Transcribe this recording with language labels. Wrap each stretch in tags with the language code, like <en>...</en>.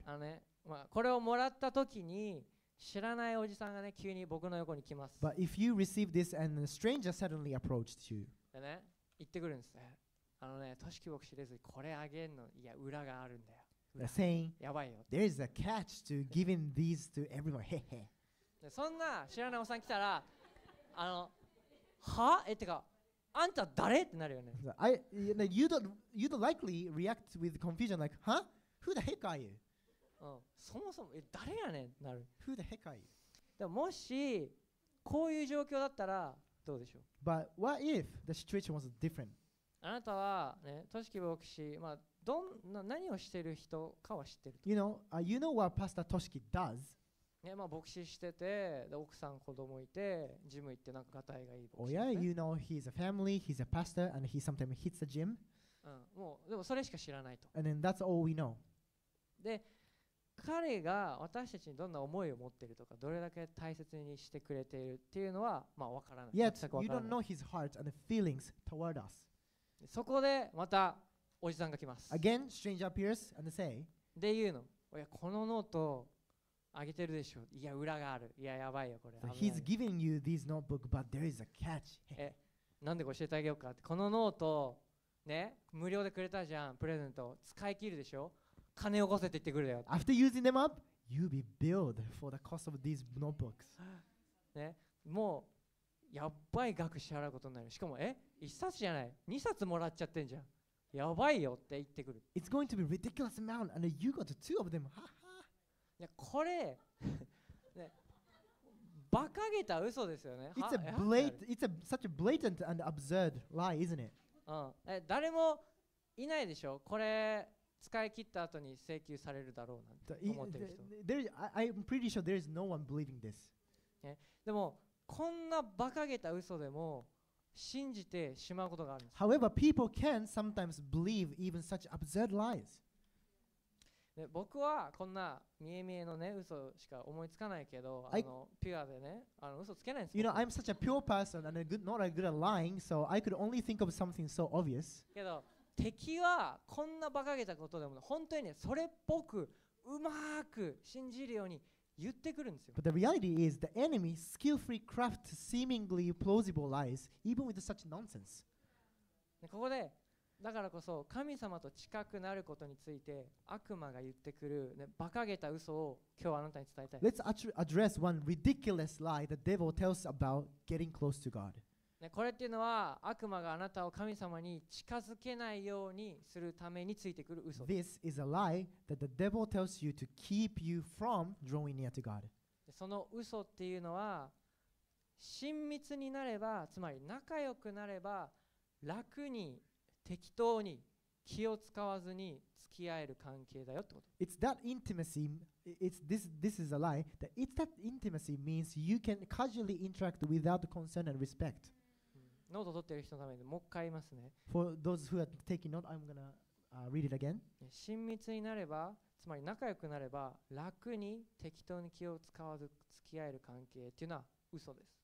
<ja>あのね。まあ、これをもらったときに知らないおじさんがね急に僕の横に来ます。</ja> <en>But if you receive this and a stranger suddenly approached you,</en> <ja>でね、言ってくるんですね。あのね、トシキ牧師レズリー、これあげんの、いや、裏があるんだよ。</ja> <en>The saying,</en> <ja>やばいよ。</ja> <en>There is a catch to giving these to everyone. へへ。</en> <ja>そんな知らないおじさん来たら、あの、は？ってか、あんた誰？ってなるよね。</ja> <en>You don't likely react with confusion like, huh? Who the heck are you?</en> <ja>そもそも誰やねんなる。</ja> <en>Who the heck are you?</en> <ja>でももしこういう状況だったらどうでしょう。</ja> <en>But what if the situation was different?</en> <ja>あなたはね、トシキ牧師、まあどんな何をしてる人かは知ってると。</ja> <en>You know what Pastor Toshiki does?</en> <ja>ね、まあ牧師してて、で奥さん子供いて、ジム行ってなんかがたいがいい牧師、ね。</ja> <en>Oh yeah, you know he's a family, he's a pastor, and he sometimes hits the gym.</en> <ja>うん、もうでもそれしか知らないと。</ja> <en>And then that's all we know.</en> <ja>で彼が私たちにどんな思いを持っているとか、どれだけ大切にしてくれているっていうのはまあ分からない。</ja> <en>Yet you don't know his heart and feelings toward us.</en> <ja>そこでまたおじさんが来ます。</ja> <en>Again, stranger appears and say,</en> <ja>で言うの、いや、このノートあげてるでしょ。いや、裏がある。いや、やばいよ、これ。</ja> <en>So、he's giving you these notebook, but there is a catch.</en> <ja>なんで教えてあげようかって。このノート、ね、無料でくれたじゃん、プレゼント。使い切るでしょ。金をこせって言ってくるよ。</ja> <en>After using them up, you'll be billed for the cost of these notebooks.</en> <ja>ね、もうやばい額支払うことになる。しかも、え、一冊じゃない、二冊もらっちゃってんじゃん。やばいよって言ってくる。</ja> <en>It's going to be ridiculous amount, and you got two of them.</en> <ja>ね、これ、ね、馬鹿げた嘘ですよね。</ja> <en>It's a blatant, it's a such a blatant and absurd lie, isn't it?</en> <ja>え、誰もいないでしょ。これ使い切った後に請求されるだろうなんて思ってる人。</ja> <en>I'm pretty sure there is no one believing this.</en> <ja>でもこんな馬鹿げた嘘でも信じてしまうことがあるんです。</ja> <en>However, people can sometimes believe even such absurd lies.</en> <ja>で僕はこんな見え見えのね嘘しか思いつかないけど、あのピュアでね、あの嘘つけないんですよ。</ja> <en>You know, I'm such a pure person and a good, not a good at lying, so I could only think of something so obvious.</en> <ja>けど敵はこんな馬鹿げたことでも本当にねそれっぽくうまく信じるように言ってくるんですよ。</ja> <en>But the reality is the enemy skillfully crafts seemingly plausible lies, even with such nonsense.</en> <ja>でここでだからこそ神様と近くなることについて悪魔が言ってくる、ね、馬鹿げた嘘を今日あなたに伝えたい。</ja> <en>Let's address one ridiculous lie the devil tells about getting close to God.、</en> <ja>ね、これっていうのは悪魔があなたを神様に近づけないようにするためについてくる嘘。</ja> <en>This is a lie that the devil tells you to keep you from drawing near to God.</en> <ja>その嘘っていうのは親密になれば、つまり仲良くなれば楽に適当に気を使わずに付き合える関係だよってこと。</ja> <en>It's that intimacy. This is a lie. That it's that intimacy means you can casually interact without concern and respect.</en> <ja>ノート取ってる人のためにもう一回言いますね。</ja> <en>For those who are taking note, I'm gonna read it again.</en> <ja>親密になれば、つまり仲良くなれば、楽に適当に気を使わず付き合える関係っていうのは嘘です。</ja>